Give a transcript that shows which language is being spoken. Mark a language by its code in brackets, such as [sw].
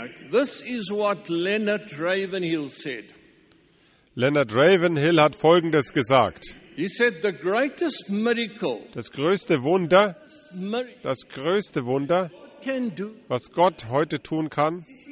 [en] This is what Leonard Ravenhill said. [de] Leonard Ravenhill hat Folgendes gesagt. [en] He said, the greatest miracle, [de] das größte Wunder, was Gott heute tun kann,